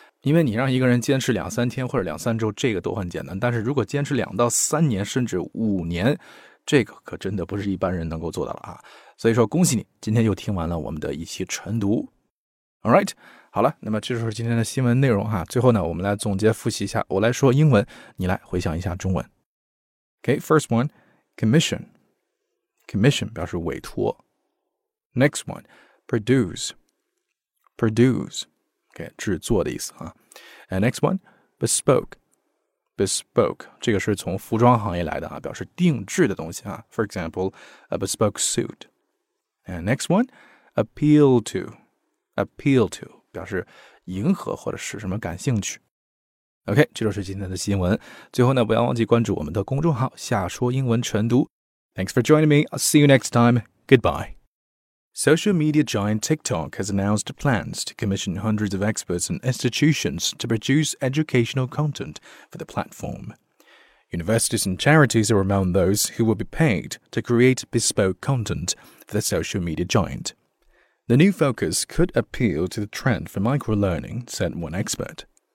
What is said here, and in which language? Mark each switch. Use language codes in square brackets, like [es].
[zh] 因为你让一个人坚持两三天或者两三周这个都很简单，但是如果坚持两到三年甚至五年，这个可真的不是一般人能够做到了啊。所以说恭喜你今天又听完了我们的一期晨读。Alright， 好了，那么这就是今天的新闻内容啊。最后呢我们来总结复习一下，我来说英文你来回想一下中文。 [en] Okay, first one, commission. [zh] Commission 表示委托。 [en] Next one, produce. Produce. [zh] Okay, 制作的意思啊。 [en] And next one, bespoke. [zh] Bespoke, 这个是从服装行业来的啊，表示定制的东西啊。 [en] For example, a bespoke suit. And next one, appeal to. Appeal to, [zh] 表示迎合或者是什么感兴趣。 OK, 这就是今天的新闻。最后呢，不要忘记关注我们的公众号下说英文晨读。 [en] Thanks for joining me. I'll see you next time. Goodbye. Social media giant TikTok has announced plans to commission hundreds of experts and institutions to produce educational content for the platform. Universities and charities are among those who will be paid to create bespoke content for the social media giant. The new focus could appeal to the trend for microlearning, said one expert.